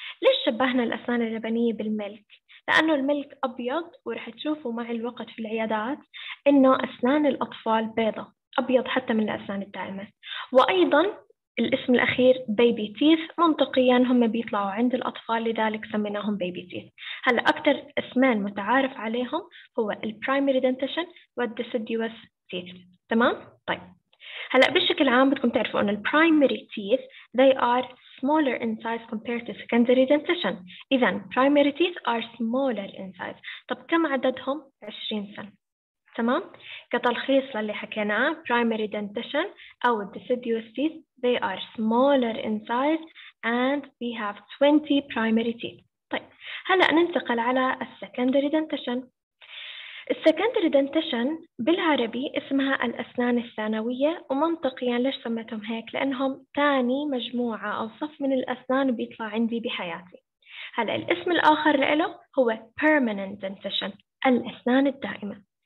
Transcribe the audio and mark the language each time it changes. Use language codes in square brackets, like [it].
[ar] ليش شبهنا الأسنان اللبنية بالملك؟ لأنه الملك أبيض، ورح تشوفوا مع الوقت في العيادات إنه أسنان الأطفال بيضة، أبيض حتى من الأسنان الدائمة. وأيضا الاسم الأخير baby teeth منطقيا هم بيطلعوا عند الأطفال، لذلك سميناهم baby teeth. هلا أكثر اسمان متعارف عليهم هو ال primary dentition وال deciduous teeth. تمام؟ طيب هلا بشكل عام بدكم تعرفوا إنه ال [en] primary teeth they are smaller in size compared to secondary dentition. [ar] إذا [en] primary teeth are smaller in size. طب كم عددهم؟ 20 سم. [ar] تمام؟ كتلخيص للي حكيناه، [en] primary dentition أو deciduous teeth they are smaller in size and we have 20 primary teeth. [ar] طيب هلا ننتقل على secondary dentition. السكندري دنتشن بالعربي اسمها الأسنان الثانوية، ومنطقيا ليش سميتهم هيك؟ لأنهم ثاني مجموعة أو صف من الأسنان بيطلع عندي بحياتي. هلأ الاسم الآخر لإله هو permanent dentition، الأسنان الدائمة.